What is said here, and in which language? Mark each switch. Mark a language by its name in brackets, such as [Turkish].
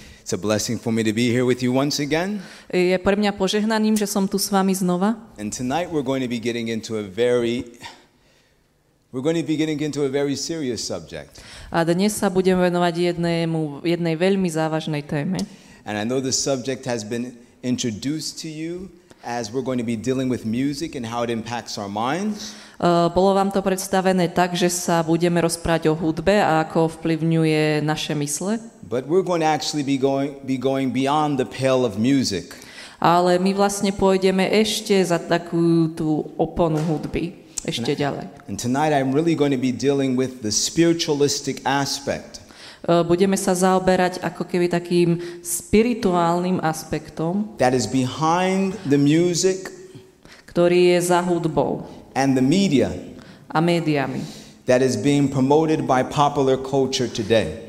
[English] It's a blessing for me to be here with you once again. [Slovak] Je pre mňa požehnaním, že som tu s vami znova. [English] And tonight we're going to be getting into a very serious subject. [Slovak] A dnes sa budem venovať jednej veľmi závažnej téme. [English] And I know the subject has been introduced to you as we're going to be dealing with music and how it impacts our minds. [Slovak] Bolo vám to predstavené tak, že sa budeme rozprávať o hudbe a ako vplyvňuje naše mysle. [English] But we're going to actually be going beyond the pale of music. [Slovak] Ale my vlastne pôjdeme ešte za takú tú oponu hudby, ešte ďalej. [English] And tonight I'm really going to be dealing with the spiritualistic aspect. [Slovak] Budeme sa zaoberať ako keby takým spirituálnym aspektom, [English] that is behind the music, [Slovak] ktorý je za hudbou, [English] and the media, [Slovak] a médiami, [English] that is being promoted by popular culture today,